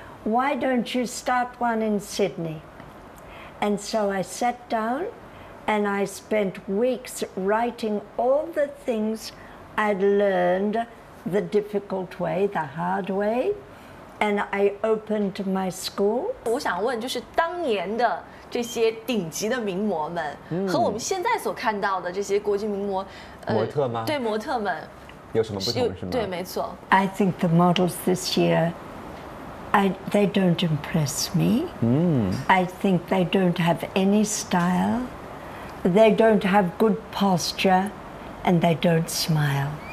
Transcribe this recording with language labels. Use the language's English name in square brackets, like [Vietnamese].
[English] Why don't you start one in Sydney? And so I sat down, and I spent weeks writing all the things I'd learned the difficult way, the hard way, and I opened my school. [Chinese] 我想问，就是当年的。这些顶级的名模们和我们现在所看到的这些国际名模模特吗？对模特们有什么不同是吗？对，没错。 [English] I think the models this year, they don't impress me. I think they don't have any style. They don't have good posture, and they don't smile.